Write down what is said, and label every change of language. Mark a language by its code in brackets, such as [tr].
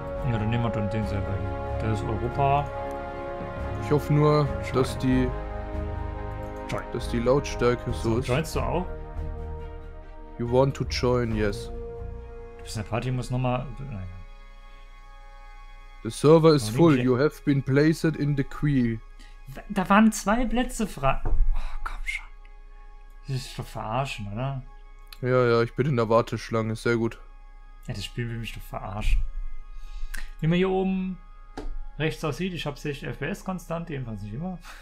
[de] Ja, dann nehmen wir dann den selber hier. Das ist Europa. Ich hoffe nur, dass die Lautstärke so ist. Joinst du auch? [en] You want to join, yes. [de] Du bist in der Party, muss nochmal. [en] The server is full. You have been placed in the queue. [de] Da waren zwei Plätze frei. Oh, komm schon. Das ist doch verarschen, oder? Ja, ich bin in der Warteschlange, sehr gut. Ja, das Spiel will mich doch verarschen. Wie man hier oben rechts aussieht, ich habe 60 FPS konstant, jedenfalls nicht immer.